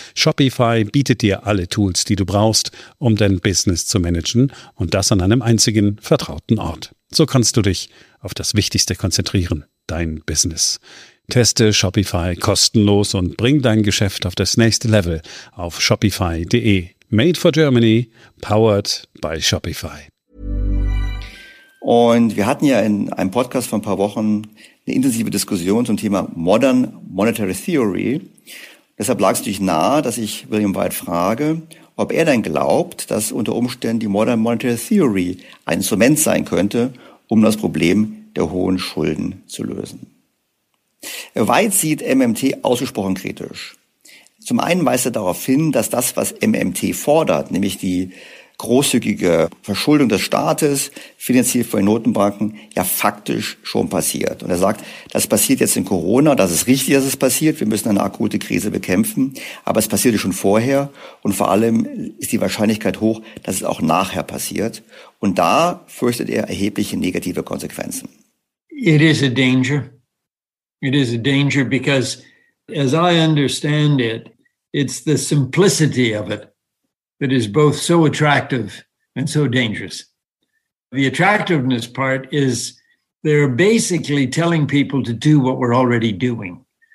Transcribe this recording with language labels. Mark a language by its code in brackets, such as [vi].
[de] Shopify bietet dir alle Tools, die du brauchst, um dein Business zu managen und das an einem einzigen, vertrauten Ort. So kannst du dich auf das Wichtigste konzentrieren, dein Business. Teste Shopify kostenlos und bring dein Geschäft auf das nächste Level auf shopify.de. [en] Made for Germany, powered by Shopify. [de] Und wir hatten ja in einem Podcast vor ein paar Wochen eine intensive Diskussion zum Thema Modern Monetary Theory. Deshalb lag es natürlich nahe, dass ich William White frage, ob er denn glaubt, dass unter Umständen die Modern Monetary Theory ein Instrument sein könnte, um das Problem der hohen Schulden zu lösen. White sieht MMT ausgesprochen kritisch. Zum einen weist er darauf hin, dass das, was MMT fordert, nämlich die großzügige Verschuldung des Staates, finanziert von den Notenbanken, ja faktisch schon passiert. Und er sagt, das passiert jetzt in Corona, das ist richtig, dass es passiert, wir müssen eine akute Krise bekämpfen, aber es passierte schon vorher und vor allem ist die Wahrscheinlichkeit hoch, dass es auch nachher passiert. Und da fürchtet er erhebliche negative Konsequenzen. [en] It is a danger. It is a danger because, as I understand it, it's the simplicity of it that is both so attractive and so dangerous. The attractiveness part is they're basically telling people to do what we're already doing.